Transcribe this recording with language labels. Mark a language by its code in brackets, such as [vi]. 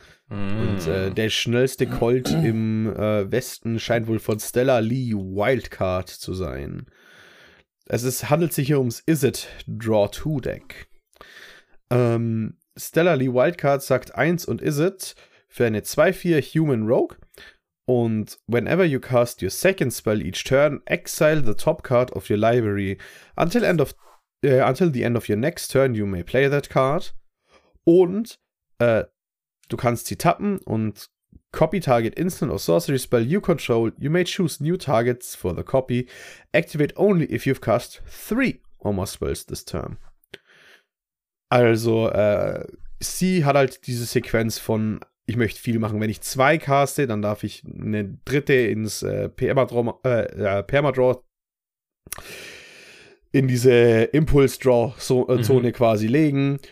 [de] Und der schnellste Colt im Westen scheint wohl von Stella Lee Wildcard zu sein. Handelt sich hier ums Izzet Draw 2 Deck. Stella Lee Wildcard sagt 1 und Izzet für eine 2-4 Human Rogue. Und [en] whenever you cast your second spell each turn, exile the top card of your library. Until the end of your next turn, you may play that card. [de] Und du kannst sie tappen und [en] copy target instant or sorcery spell you control. You may choose new targets for the copy. Activate only if you've cast 3 or more spells this turn. [de] Also, sie hat halt diese Sequenz von, ich möchte viel machen. Wenn ich 2 caste, dann darf ich eine dritte ins Permadraw in diese Impulse-Draw-Zone quasi legen.